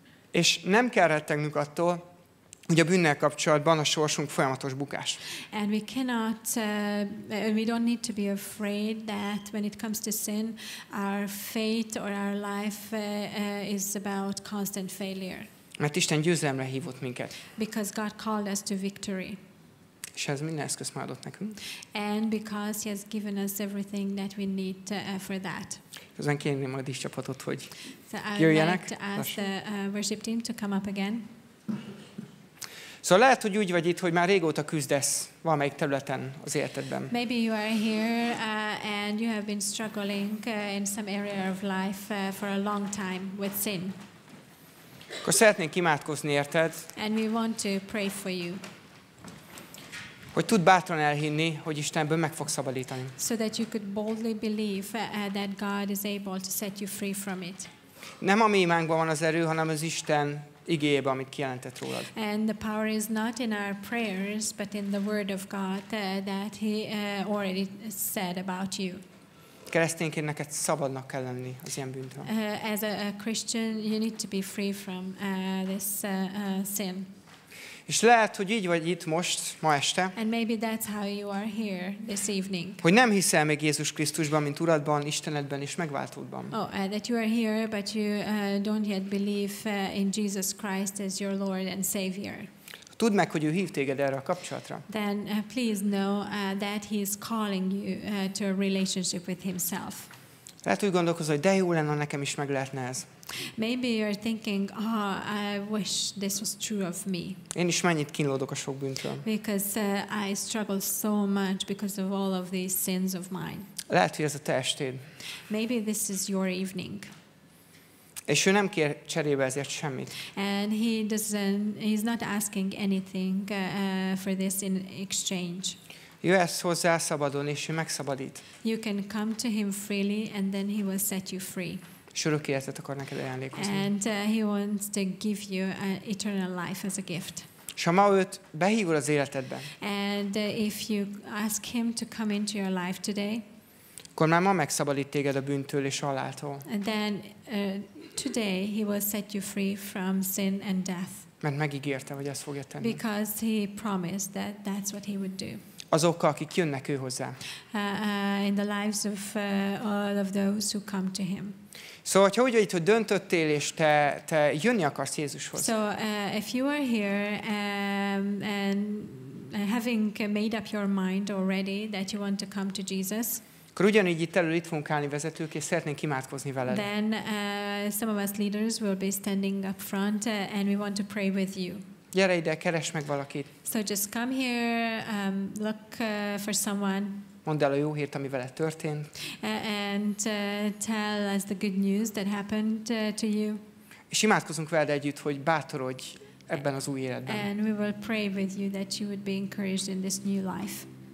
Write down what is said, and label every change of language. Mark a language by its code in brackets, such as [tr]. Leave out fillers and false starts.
[hu] És nem kell rettegnünk attól, hogy a bűnnel kapcsolatban a sorsunk folyamatos bukás. [en] And we cannot, we don't need to be afraid that when it comes to sin, our fate or our life is about constant failure. [hu] Mert Isten győzelemre hívott minket. [en] Because God called us to victory. [hu] És ez minden eszközt már adott nekünk. [en] And because he has given us everything that we need for that. [hu] Ezen kérném a díszcsapatot, hogy jöjjenek. [en] So I'd like to ask the worship team to come up again. [hu] Szóval lehet, hogy úgy vagy itt, hogy már régóta küzdesz valamelyik területen az életedben. [en] Maybe you are here and you have been struggling in some area of life for a long time with sin. [hu] Akkor szeretnénk imádkozni érted. [en] And we want to pray for you. [hu] Hogy tud bátran elhinni, hogy Istenből meg fog szabadítani. [en] So that you could boldly believe that God is able to set you free from it. [hu] Nem a mi imánkban van az erő, hanem az Isten igéjében, amit kijelentett rólad. [en] And the power is not in our prayers, but in the word of God that he already said about you. [hu] Keresztényként neked szabadnak kell lenni az ilyen bűntől. [en] As a Christian, you need to be free from this sin. [hu] És lehet, hogy így vagy itt most, ma este. [en] And maybe that's how you are here this evening. [hu] Hogy nem hiszel még Jézus Krisztusban, mint Uradban, Istenedben és megváltódban. [en] Oh, that you are here, but you don't yet believe in Jesus Christ as your Lord and Savior. [hu] Tudd meg, hogy ő hív téged erre a kapcsolatra. [en] Then please know that he is calling you to a relationship with himself. [hu] Lehet, úgy gondolkozol, hogy de jó lenne, nekem is meg lehetne ez. [en] Maybe you're thinking, oh, I wish this was true of me. [hu] Én is mennyit kínlódok a sok bűntől. [en] Because I struggle so much because of all of these sins of mine. [hu] Lehet, hogy ez a te estéd. [en] Maybe this is your evening. [hu] És ő nem kér cserébe ezért semmit. [en] And he's not asking anything for this in exchange. [hu] Jöhetsz hozzá szabadon, és ő megszabadít. [en] You can come to him freely, and then he will set you free. [hu] És örök életet akar neked ajándékozni. [en] And he wants to give you an eternal life as a gift. [hu] És ha ma őt behívod az életedbe. [en] And if you ask him to come into your life today. [hu] Akkor már ma megszabadít téged a bűntől és haláltól. [en] And then today he will set you free from sin and death. [hu] Mert megígérte, hogy ezt fogja tenni. [en] Because he promised that that's what he would do. [hu] Azokkal, akik jönnek ő hozzá. [en] In the lives of all of those who come to him. [hu] Szóval, hogyha úgy vagy itt, hogy döntöttél, és te jönni akarsz Jézushoz. [en] So, if you are here and having made up your mind already that you want to come to Jesus, [hu] akkor ugyanígy itt elő itt fogunk állni vezetők, és szeretnénk imádkozni veled. [en] Then some of us leaders will be standing up front and we want to pray with you. [hu] Gyere ide, keresd meg valakit. [en] So just come here, look for someone. [hu] Mondd el a jó hírt, ami veled történt. [en] And tell us the good news that happened to you. [hu] És imádkozunk veled együtt, hogy bátorodj ebben az új életben. [en] And we will pray with you that you would be encouraged in this new life.